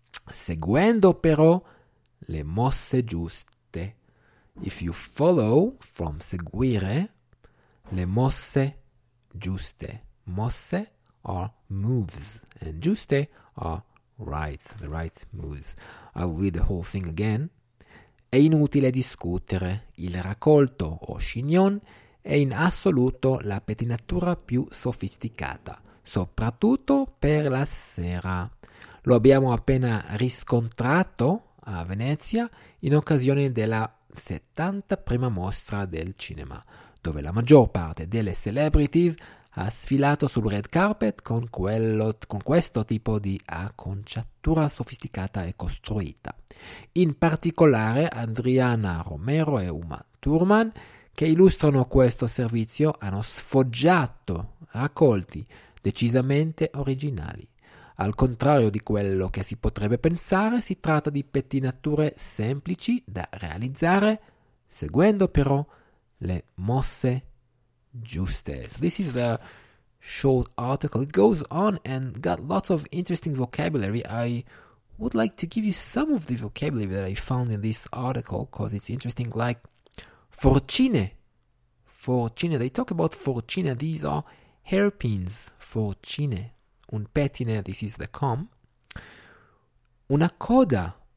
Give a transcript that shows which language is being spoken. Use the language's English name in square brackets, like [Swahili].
[Italian] Seguendo però le mosse giuste. [English] If you follow, from seguire, [Italian] le mosse giuste. [English] Mosse are moves, and giuste are right, the right moves. I'll read the whole thing again. [Italian] È inutile discutere. Il raccolto o chignon è in assoluto la pettinatura più sofisticata, soprattutto per la sera. Lo abbiamo appena riscontrato a Venezia in occasione della 71ª mostra del cinema, dove la maggior parte delle celebrities ha sfilato sul red carpet con questo tipo di acconciatura sofisticata e costruita. In particolare Adriana Romero e Uma Thurman, che illustrano questo servizio, hanno sfoggiato raccolti decisamente originali. Al contrario di quello che si potrebbe pensare, si tratta di pettinature semplici da realizzare, seguendo però le mosse giuste. [English] So this is a short article. It goes on and got lots of interesting vocabulary. I would like to give you some of the vocabulary that I found in this article because it's interesting, like forcine. Forcine. They talk about forcine. These are hairpins. Forcine. Un pettine. This is the comb. Una coda.